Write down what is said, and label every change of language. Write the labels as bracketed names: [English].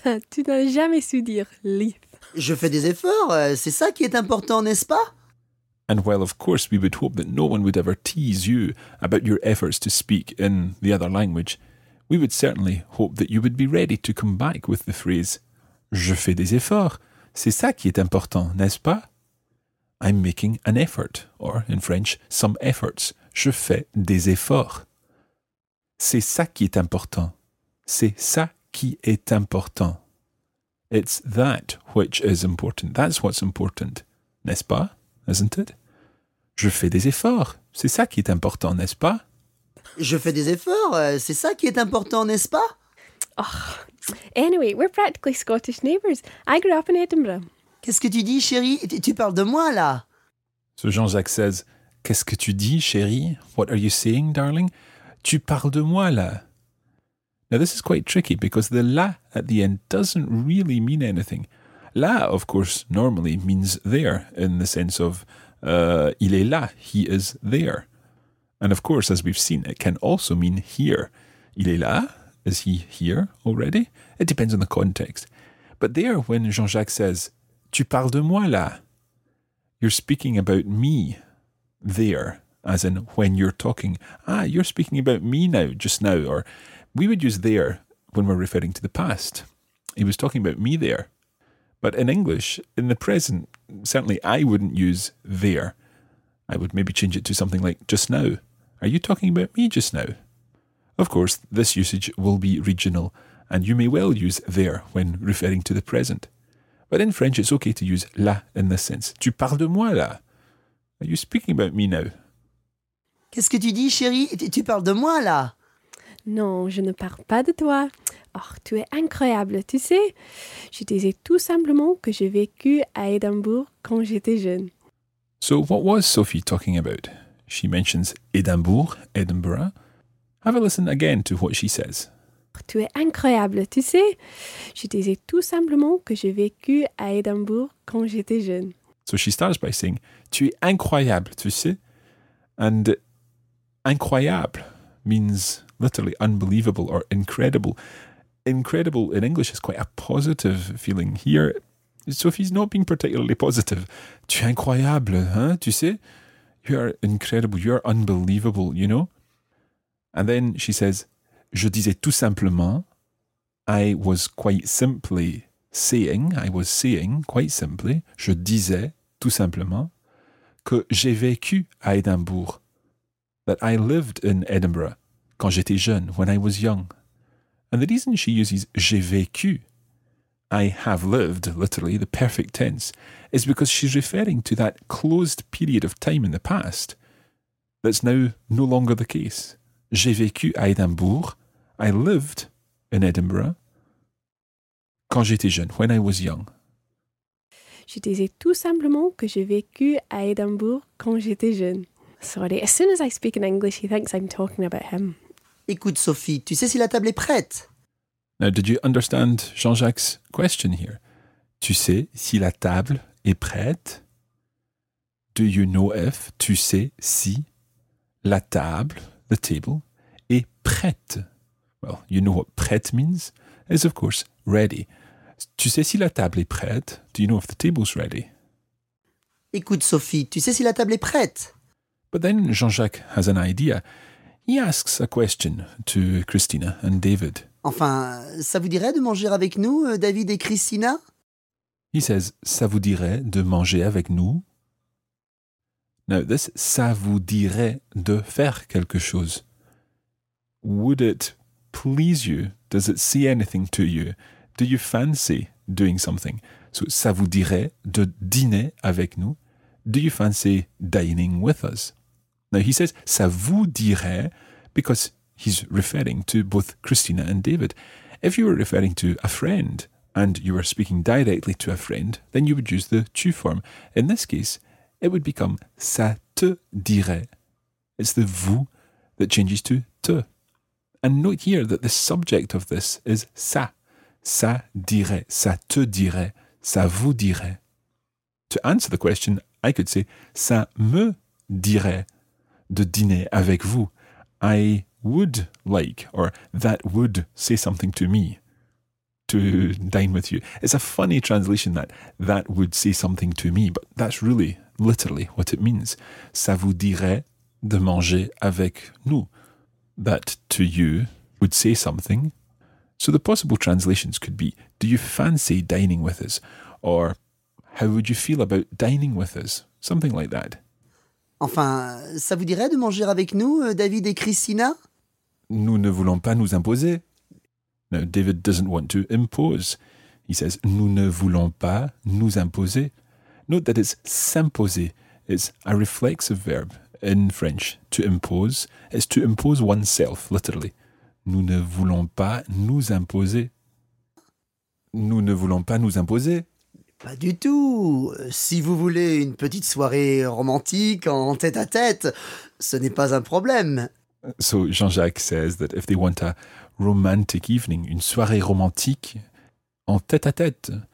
[French] Tu n'as jamais su dire leaf. Je fais des efforts, c'est ça qui est important, n'est-ce pas? [English] And while of course we would hope that no one would ever tease you about your efforts to speak in the other language, we would certainly hope that you would be ready to come back with the phrase [French] je fais des efforts, c'est ça qui est important, n'est-ce pas? [English] I'm making an effort, or in French, some efforts. [French] Je fais des efforts. C'est ça qui est important. C'est ça qui est important. [English] It's that which is important. That's what's important, [French] n'est-ce pas? [English] Isn't it? [French] Je fais des efforts. C'est ça qui est important, n'est-ce pas? Je fais des efforts. C'est ça qui est important, n'est-ce pas? Oh. [English] Anyway, we're practically Scottish neighbours. I grew up in Edinburgh. [French] Qu'est-ce que tu dis, chérie? Tu parles de moi, là? [English] So Jean-Jacques says, [French] qu'est-ce que tu dis, chérie? [English] What are you saying, darling? [French] Tu parles de moi, là? [English] Now, this is quite tricky because the la at the end doesn't really mean anything. là, of course, normally means there in the sense of [French] il est là, [English] he is there. And of course, as we've seen, it can also mean here. [French] Il est là, [English] is he here already? It depends on the context. But there, when Jean-Jacques says, [French] tu parles de moi là, [English] you're speaking about me there, as in when you're talking, ah, you're speaking about me now, just now, or we would use there when we're referring to the past. He was talking about me there. But in English, in the present, certainly I wouldn't use there. I would maybe change it to something like just now. Are you talking about me just now? Of course, this usage will be regional, and you may well use there when referring to the present. But in French, it's okay to use là in this sense. [French] Tu parles de moi là? [English] Are you speaking about me now? [French] Qu'est-ce que tu dis, chérie? Tu parles de moi là? Non, je ne parle pas de toi. Oh, tu es incroyable, tu sais. Je disais tout simplement que j'ai vécu à Édimbourg quand j'étais jeune. [English] So what was Sophie talking about? She mentions Édimbourg, Edinburgh. Have a listen again to what she says. [French] Tu es incroyable, tu sais. Je disais tout simplement que j'ai vécu à Édimbourg quand j'étais jeune. [English] So she starts by saying, [French] tu es incroyable, tu sais. [English] And incroyable means literally unbelievable or incredible. Incredible in English is quite a positive feeling here. Sophie's not being particularly positive. [French] Tu es incroyable, hein, tu sais. [English] You are incredible, you are unbelievable, you know. And then she says, [French] je disais tout simplement, [English] I was quite simply saying, I was saying quite simply, je disais tout simplement, [French] que j'ai vécu à Édimbourg, [English] that I lived in Edinburgh, [French] quand j'étais jeune, [English] when I was young. And the reason she uses [French] j'ai vécu, [English] I have lived, literally, the perfect tense, is because she's referring to that closed period of time in the past that's now no longer the case. [French] J'ai vécu à Édimbourg, [English] I lived in Edinburgh, [French] quand j'étais jeune, [English] when I was young. Je disais tout simplement que j'ai vécu à Édimbourg quand j'étais jeune. Sorry, as soon as I speak in English, he thinks I'm talking about him. [French] Écoute, Sophie, tu sais si la table est prête? [English] Now, did you understand Jean-Jacques' question here? [French] Tu sais si la table est prête? [English] Do you know if, [French] tu sais si, la table, [English] the table, [French] est prête? [English] Well, you know what prête means? It's, of course, ready. [French] Tu sais si la table est prête? [English] Do you know if the table's ready? [French] Écoute, Sophie, tu sais si la table est prête? [English] But then Jean-Jacques has an idea. He asks a question to Christina and David. [French] Enfin, ça vous dirait de manger avec nous, David et Christina? [English] He says, [French] ça vous dirait de manger avec nous? [English] Now, this, [French] ça vous dirait de faire quelque chose. [English] Would it please you? Does it say anything to you? Do you fancy doing something? [French] So, ça vous dirait de dîner avec nous? [English] Do you fancy dining with us? Now, he says, [French] ça vous dirait, [English] because he's referring to both Christina and David. If you were referring to a friend and you were speaking directly to a friend, then you would use the tu form. In this case, it would become [French] ça te dirait. [English] It's the vous that changes to te. And note here that the subject of this is ça. [French] Ça dirait, ça te dirait, ça vous dirait. [English] To answer the question, I could say [French] ça me dirait de dîner avec vous. [English] I would like, or that would say something to me, to dine with you. It's a funny translation, that would say something to me, but that's really, literally, what it means. [French] Ça vous dirait de manger avec nous. [English] That, to you, would say something. So the possible translations could be, do you fancy dining with us? Or, how would you feel about dining with us? Something like that. [French] Enfin, ça vous dirait de manger avec nous, David et Christina? Nous ne voulons pas nous imposer. [English] Now, David doesn't want to impose. He says, [French] nous ne voulons pas nous imposer. [English] Note that it's s'imposer. It's a reflexive verb in French, to impose. It's to impose oneself, literally. [French] Nous ne voulons pas nous imposer. Nous ne voulons pas nous imposer. Pas du tout. Si vous voulez une petite soirée romantique en tête-à-tête, ce n'est pas un problème. [English] So Jean-Jacques says that if they want a romantic evening, [French] une soirée romantique en tête-à-tête,